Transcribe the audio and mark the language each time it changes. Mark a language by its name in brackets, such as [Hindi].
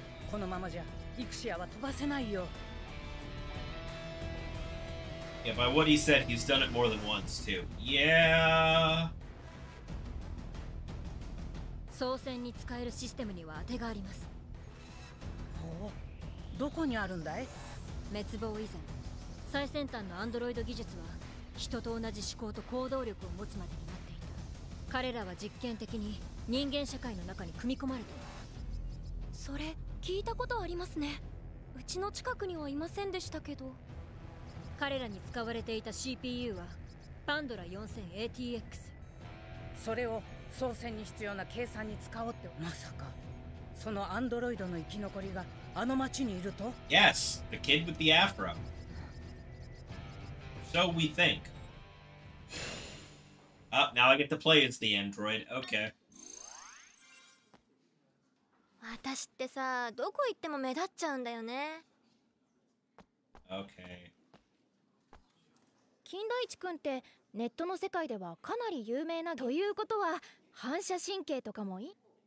[Japanese] このままじゃ、イクシアは飛ばせないよ。 [English] Yeah, by what he said, he's done it more than once, too. Yeah. [Japanese] 操船に使えるシステムには当てがあります。お、どこにあるんだい？滅亡以前、最先端のアンドロイド技術は人と同じ思考と行動力を持つまでになっていた。彼らは実験的に人間社会の中に組み込まれている。それ、聞いたことありますね。うちの近くにはいませんでしたけど。彼らに使われていた CPU はパンドラ 4000ATX。それを操船に必要な計算に使おうって。まさかそのアンドロイドの生き残りがあの町にいると。 [English] Yes, the kid with the afro. So we think. Oh, now I get to play as the android. Okay. [Japanese] 私ってさ、どこ行っても目立っちゃうんだよね。 [English] Okay. [Japanese] 金田一くんってネットの世界ではかなり有名な。ということは反射神経とかもい